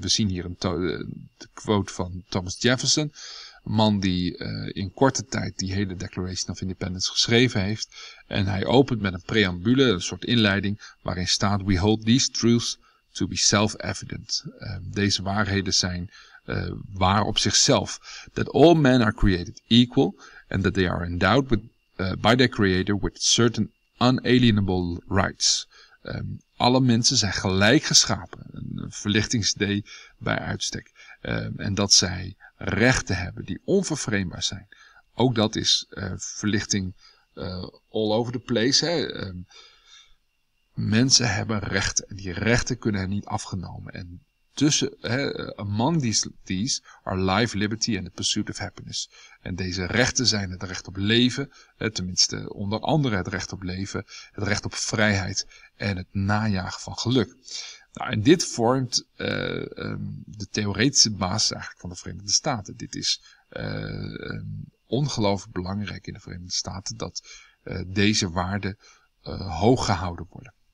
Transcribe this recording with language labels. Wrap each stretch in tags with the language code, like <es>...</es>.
<nl>We zien hier de quote van Thomas Jefferson, een man die in korte tijd die hele Declaration of Independence geschreven heeft. En hij opent met een preambule, een soort inleiding, waarin staat:</nl> <en>"We hold these truths to be self-evident."</en> <nl>Deze waarheden zijn waar op zichzelf.</nl> <en>"That all men are created equal, and that they are endowed by their creator with certain unalienable rights."</en> <nl>Alle mensen zijn gelijk geschapen, een verlichtingsidee bij uitstek. En dat zij rechten hebben die onvervreembaar zijn. Ook dat is verlichting</nl> <en>all over the place.</en> <nl>Hè? Mensen hebben rechten en die rechten kunnen hen niet afgenomen. En tussen,</nl> <en>among these are life, liberty and the pursuit of happiness.</en> <nl>En deze rechten zijn het recht op leven, tenminste onder andere het recht op leven, het recht op vrijheid en het najagen van geluk. Nou, en dit vormt de theoretische basis eigenlijk van de Verenigde Staten. Dit is ongelooflijk belangrijk in de Verenigde Staten dat deze waarden hoog gehouden worden.</nl>